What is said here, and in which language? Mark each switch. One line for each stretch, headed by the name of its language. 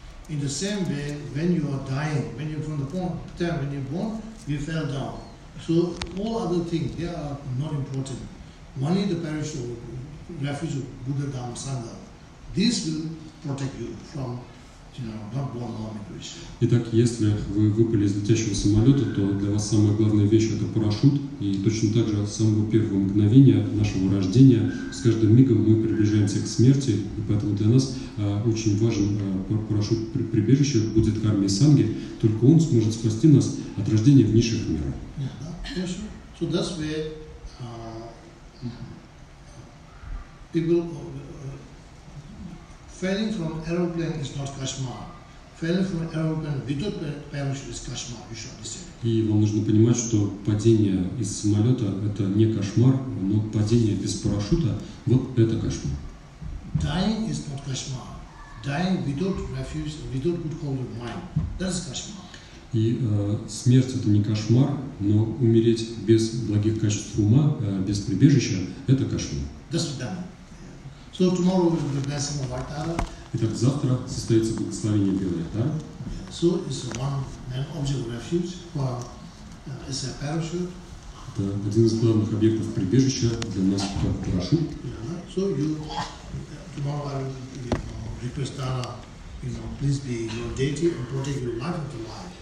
English: In the same way, when you are dying, when you from the time when you're born, you fell down. So all other things, they are not important. Money, the parish or refuge of Buddha, Dhamma, Sangha, this will protect you from, you know, not born harm in Krishna.
Russian: Итак, если вы выпали из летящего самолета, то для вас самая главная вещь – это парашют. И точно так же от самого первого мгновения нашего рождения, с каждым мигом мы приближаемся к смерти, и поэтому для нас очень важен парашют прибежище, будет карми санги, только он сможет спасти нас от рождения в низших мирах.
English: So that's where people falling from aeroplane is not kashmar. Falling from aeroplane without parachute is kashmar. You should understand.
Russian: И вам нужно понимать, что падение из самолета это не кошмар, но падение без парашюта вот это кошмар.
English: Dying is not kashmar. Dying without refuge, without good hold of mind, that is kashmar.
Russian: И смерть – это не кошмар, но умереть без благих качеств ума, без прибежища – это кошмар. До свидания.
English: So tomorrow will be blessing of Vartara.
Russian: Итак, завтра состоится благословение Белой Атары.
English: So it's one object of refuge, for, it's a parachute.
Russian: Это один из главных объектов прибежища для нас, как парашют.
English: Yeah. So you, tomorrow I will request Tara, you know, please be your deity and protect your life and your life.